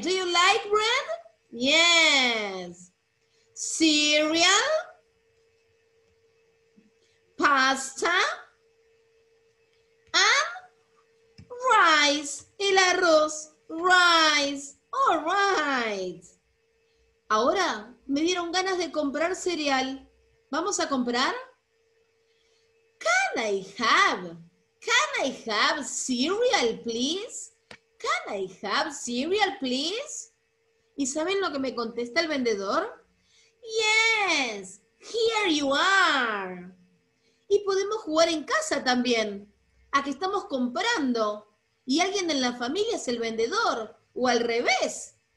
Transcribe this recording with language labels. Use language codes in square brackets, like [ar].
[en] Do you like bread? Yes. Cereal, pasta, and rice, el arroz, rice. All right. [es] Ahora me dieron ganas de comprar cereal. ¿Vamos a comprar? [en] Can I have... Can I have cereal, please? Can I have cereal, please? [es] ¿Y saben lo que me contesta el vendedor? [en] Yes, here you are. [es] Y podemos jugar en casa también. Aquí estamos comprando. Y alguien en la familia es el vendedor. O al revés.